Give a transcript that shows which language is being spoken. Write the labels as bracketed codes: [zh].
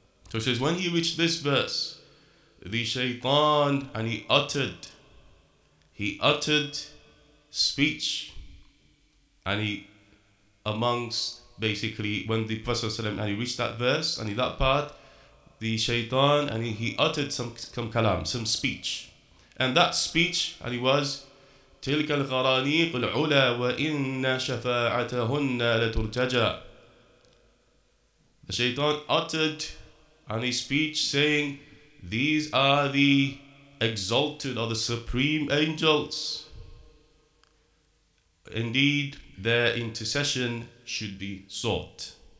[en] So it says, when he reached this verse, the shaytan, and he uttered speech, and he amongst, basically, when the Prophet ﷺ, and he reached that verse, and that part, the shaytan, and he uttered some kalam, some speech. And that speech, and he was, [ar] تلك الغرانيق العلا وإن شفاعتهن لترتجى. [en] The shaitan uttered on his speech saying, these are the exalted or the supreme angels. Indeed, their intercession should be sought.